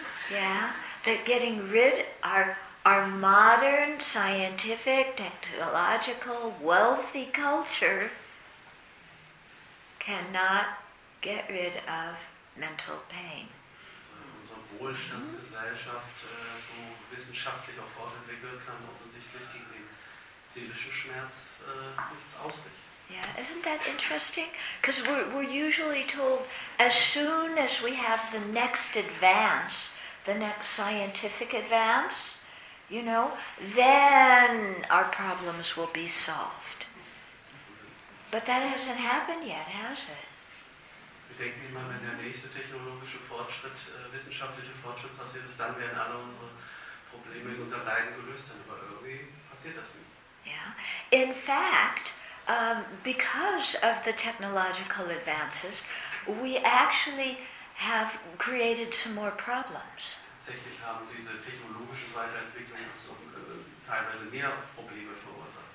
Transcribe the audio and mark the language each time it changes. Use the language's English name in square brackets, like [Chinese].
[English] Yeah, that getting rid of our modern, scientific, technological, wealthy culture cannot get rid of mental pain. [German] Unsere Wohlstandsgesellschaft so wissenschaftlich auch fortentwickelt kann offensichtlich gegen den seelischen Schmerz nichts ausrichten. [English] Yeah, isn't that interesting? Because we're usually told, as soon as we have the next advance, the next scientific advance, you know, then our problems will be solved. But that hasn't happened yet, has it? [German] Bedenken Sie mal, wenn der nächste technologische Fortschritt, wissenschaftliche Fortschritt passiert ist, dann werden alle unsere Probleme in unserem Leiden gelöst sein. Aber irgendwie passiert das nicht. [English] Yeah. In fact, because of the technological advances, we actually have created some more problems. [German] Tatsächlich haben diese technologischen Weiterentwicklungen so, teilweise mehr Probleme verursacht.